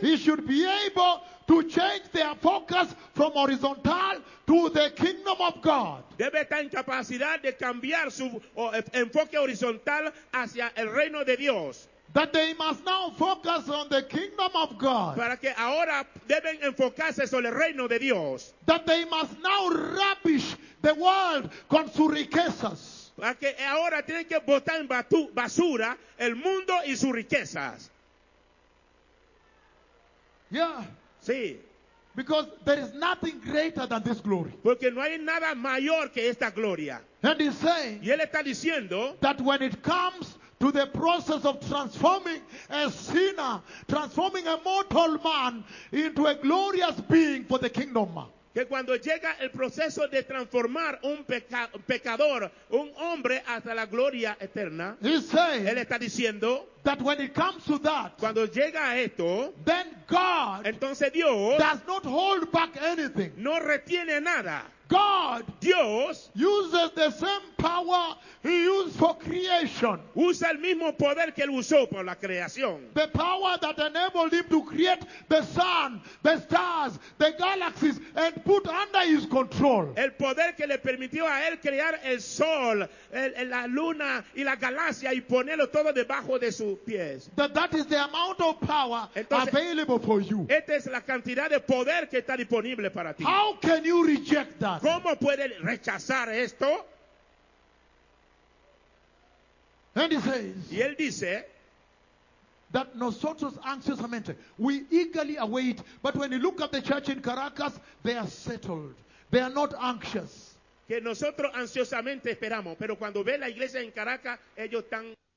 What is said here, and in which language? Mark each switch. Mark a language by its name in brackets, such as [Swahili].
[English] He should be able to change their focus from horizontal to the kingdom of God. [Spanish] Debe estar en capacidad de cambiar su enfoque horizontal hacia el reino de Dios. [English] That they must now focus on the kingdom of God. [Spanish] Para que ahora deben enfocarse sobre el reino de Dios. [English] That they must now rubbish the world [Spanish] con sus riquezas. Para que ahora tienen que botar en basura el mundo y sus riquezas. [English] Yeah. [Spanish] Sí. [English] Because there is nothing greater than this glory. [Spanish] Porque no hay nada mayor que esta gloria. [English] And he's saying. [Spanish] Y él está diciendo. [English] That when it comes to the process of transforming a sinner, transforming a mortal man into a glorious being for the kingdom. [Spanish] Que cuando llega el proceso de transformar un pecador, un hombre hasta la gloria eterna, él está diciendo, [English] that when it comes to that, [Spanish] cuando llega a esto, [English] then God, [Spanish] entonces Dios, [English] does not hold back anything. [Spanish] No retiene nada. [English] God, [Spanish] Dios, [English] uses the same power he used for creation. [Spanish] Usa el mismo poder que él usó por la creación. [English] The power that enabled him to create the sun, the stars, the galaxies, and put under his control. [Spanish] El poder que le permitió a él crear el sol, la luna y la galaxia y ponerlo todo debajo de sus pies. [English] That is the amount of power. [Spanish] Entonces, [English] available for you. [Spanish] Esta es la cantidad de poder que está disponible para ti. [English] How can you reject that? [Spanish] ¿Cómo puede rechazar esto? [English] And he says, [Spanish] y él dice, [English] that [Spanish] nosotros ansiosamente, [English] we eagerly await, but when you look at the church in Caracas, they are settled. They are not anxious. [Spanish] Que nosotros ansiosamente esperamos, pero cuando ve la iglesia en Caracas, ellos están...